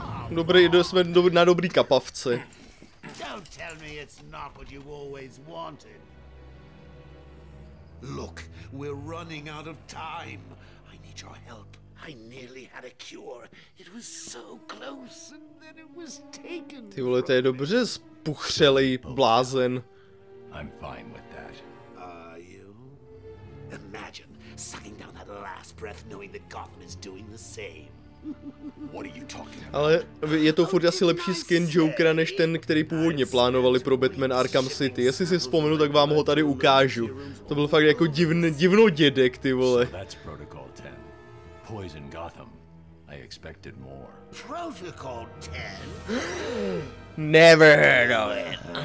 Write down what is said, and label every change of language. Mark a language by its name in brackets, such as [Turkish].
[Czech] Dobrý, jsme na dobrý kapavce. [English] Don't tell me it's not what you always wanted. Look, we're running out of time. I need your help. I nearly had a cure. It was so close and then it was taken. [Czech] Ty vole, to je dobře spuchřelej blázen. [English] I'm fine with that. Are you? Imagine sucking down that last breath knowing that Gotham is doing the same. What are you talking about? [Czech] Ale je to furt asi lepší skin Jokera než ten, který původně plánovali pro Batman Arkham City. Jestli si vzpomenu, tak vám ho tady ukážu. To byl fakt jako divno dědek, ty vole. [English] That's Protocol 10. Poison Gotham. I expected more. Protocol 10. Never heard of it.